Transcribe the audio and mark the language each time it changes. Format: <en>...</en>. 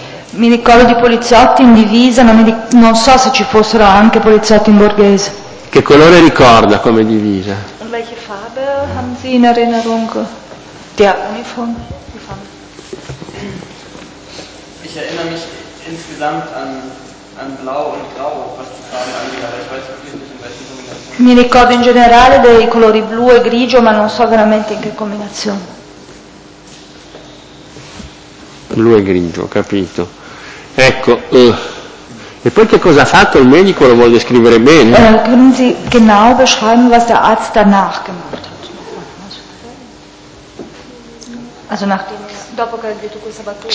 <it>Mi ricordo di poliziotti in divisa, non so se ci fossero anche poliziotti in borghese. Che colore ricorda come divisa?</it> <de>Und welche Farbe haben Sie in Erinnerung? Der Uniform, die Farbe. Ich erinnere mich insgesamt an blau und grau, was die Farbe angeht, aber ich weiß wirklich nicht in welchen Kombinationen.</de> <it>Mi ricordo in generale dei colori blu e grigio, ma non so veramente in che combinazione. Blu e grigio, capito. Ecco, e poi che cosa ha fatto il medico, lo vuole descrivere bene?</it> <de>Können Sie genau beschreiben, was der Arzt danach gemacht hat?</de> <it>Also dopo che ha detto questa battuta,</it>